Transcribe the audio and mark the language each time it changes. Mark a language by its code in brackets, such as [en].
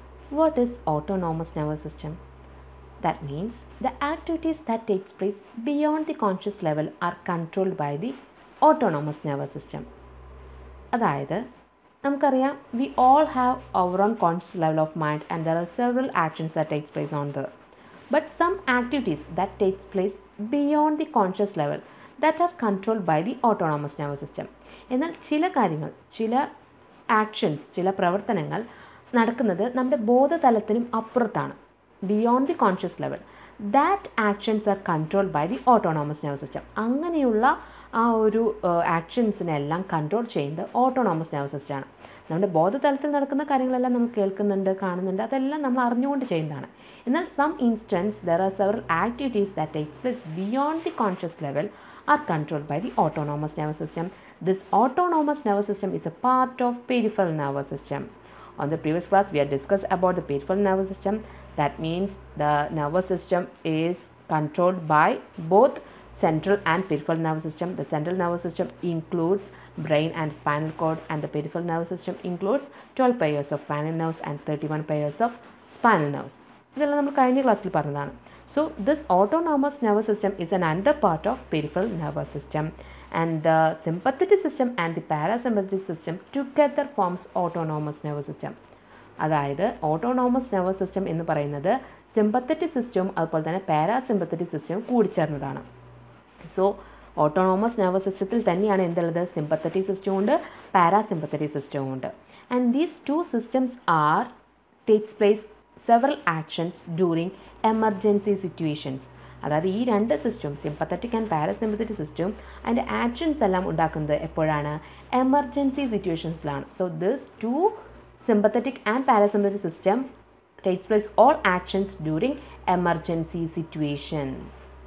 [en] What is autonomous nervous system? That means the activities that takes place beyond the conscious level are controlled by the autonomous nervous system. [ml] Adayathu namukarya, [en] we all have our own conscious level of mind and there are several actions that takes place on the but some activities that takes place beyond the conscious level that are controlled by the autonomous nervous system. [ml] എന്നാൽ ചില കാര്യങ്ങൾ ചില actions ചില പ്രവർത്തനങ്ങൾ നടക്കുന്നത് നമ്മുടെ ബോധതലത്തിനും അപ്പുറത്താണ്. [en] Beyond the conscious level that actions are controlled by the autonomous nerve system. [ml] അങ്ങനെയുള്ള ആ ഒരു ആക്ഷൻസിനെല്ലാം കൺട്രോൾ ചെയ്യുന്നത് ഓട്ടോണോമസ് നെർവ് സിസ്റ്റമാണ്. നമ്മുടെ ബോധതലത്തിൽ നടക്കുന്ന കാര്യങ്ങളെല്ലാം നമ്മൾ കേൾക്കുന്നുണ്ട്, കാണുന്നുണ്ട്, അതെല്ലാം നമ്മൾ അറിഞ്ഞുകൊണ്ട് ചെയ്യുന്നതാണ്. എന്നാൽ [en] Some instances there are several activities that takes place beyond the conscious level are controlled by the autonomous nerve system. This autonomous nerve system is a part of peripheral nerve system. On the previous class, we had discussed about the peripheral nervous system. That means the nervous system is controlled by both central and peripheral nervous system. The central nervous system includes brain and spinal cord, and the peripheral nervous system includes 12 pairs of spinal nerves and 31 pairs of spinal nerves. [ml] ഇതെല്ലാം നമ്മൾ കഴിഞ്ഞ ക്ലാസ്സിൽ പറഞ്ഞതാണ്. [en] So this autonomous nervous system is an under part of peripheral nervous system. And the sympathetic system and the parasympathetic system together forms autonomous nervous system. [ml] അതായത് autonomous nervous system എന്ന് പറയുന്നത് sympathetic system അതുപോലെ തന്നെ parasympathetic system കൂടി ചേർന്നതാണ്. So autonomous nervous സിസ്റ്റത്തിൽ തന്നെയാണ് എന്തുള്ളത്, sympathetic system ഉണ്ട്, parasympathetic system ഉണ്ട്. [en] And these two systems are takes place several actions during emergency situations. [ml] അതായത് ഈ രണ്ട് സിസ്റ്റവും സിമ്പത്തറ്റിക് ആൻഡ് പാരസിമ്പത്തറ്റിക് സിസ്റ്റവും അതിൻ്റെ ആക്ഷൻസ് എല്ലാം ഉണ്ടാക്കുന്നത് എപ്പോഴാണ്, emergency സിറ്റുവേഷൻസിലാണ്. [en] So this two sympathetic and parasympathetic system takes place all actions during emergency situations.